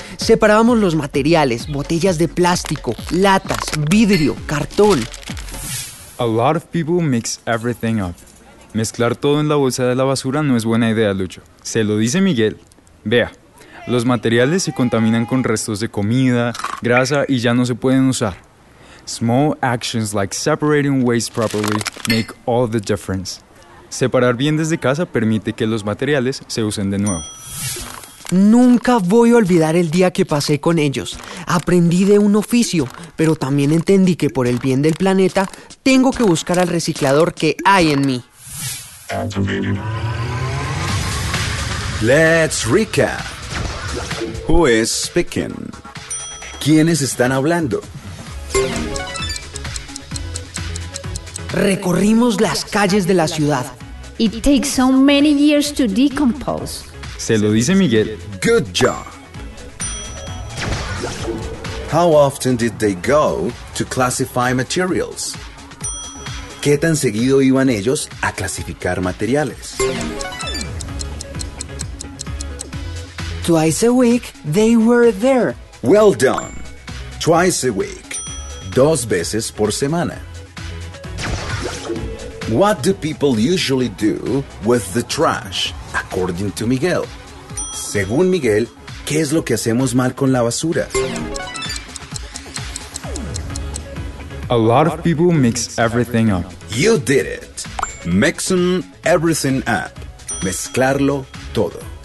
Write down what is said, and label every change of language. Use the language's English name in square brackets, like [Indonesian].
[Spanish] Separábamos los materiales, botellas de plástico, latas, vidrio, cartón. [English] A lot of people mix everything up. [Spanish] Mezclar todo en la bolsa de la basura no es buena idea, Lucho. Se lo dice Miguel. Vea, los materiales se contaminan con restos de comida, grasa y ya no se pueden usar. [English] Small actions like separating waste properly make all the difference. [Spanish] Separar bien desde casa permite que los materiales se usen de nuevo. Nunca voy a olvidar el día que pasé con ellos. Aprendí de un oficio, pero también entendí que por el bien del planeta, tengo que buscar al reciclador que hay en mí. [English] Let's recap. Who is speaking? [Spanish] ¿Quiénes están hablando? Recorrimos las calles de la ciudad. [English] It takes so many years to decompose. [Spanish] Se lo dice Miguel. [English] Good job. How often did they go to classify materials? [Spanish] ¿Qué tan seguido iban ellos a clasificar materiales? [English] Twice a week they were there. Well done. Twice a week. [Spanish] Dos veces por semana. [English] What do people usually do with the trash, according to Miguel? [Spanish] Según Miguel, ¿qué es lo que hacemos mal con la basura? [English] A lot of people mix everything up. You did it. Mixing everything up. [Spanish] Mezclarlo todo.